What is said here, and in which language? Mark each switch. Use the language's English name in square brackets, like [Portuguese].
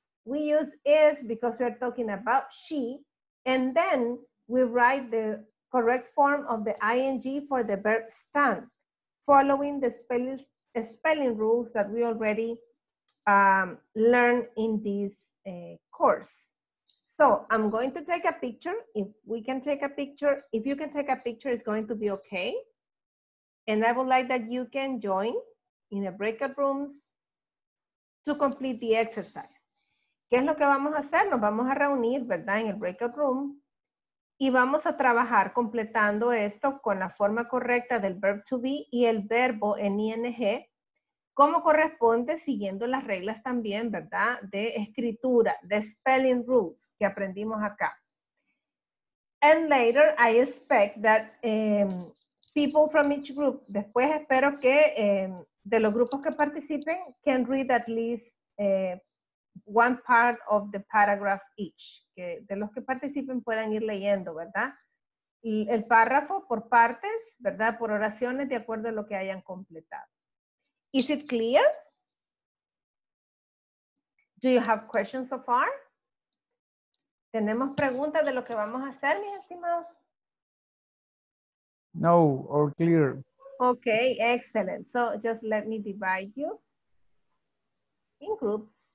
[English] We use is because we are talking about she, and then we write the correct form of the ing for the verb stand, following the spelling rules that we already learned in this course. So I'm going to take a picture. If we can take a picture, if you can take a picture, it's going to be okay. And I would like that you can join in the breakout rooms to complete the exercise. [Spanish] ¿Qué es lo que vamos a hacer? Nos vamos a reunir, ¿verdad? En el breakout room. Y vamos a trabajar completando esto con la forma correcta del verb to be y el verbo en ing, como corresponde, siguiendo las reglas también, ¿verdad? De escritura, de spelling rules que aprendimos acá. [English] And later, I expect that people from each group, [Spanish] después espero que de los grupos que participen, [English] can read at least one part of the paragraph each. [Spanish] Que de los que participen puedan ir leyendo, ¿verdad? El párrafo por partes, ¿verdad? Por oraciones, de acuerdo a lo que hayan completado. [English] Is it clear? Do you have questions so far? [Spanish] ¿Tenemos preguntas de lo que vamos a hacer, mis estimados? [English] No, or clear. Okay, excellent. So just let me divide you in groups.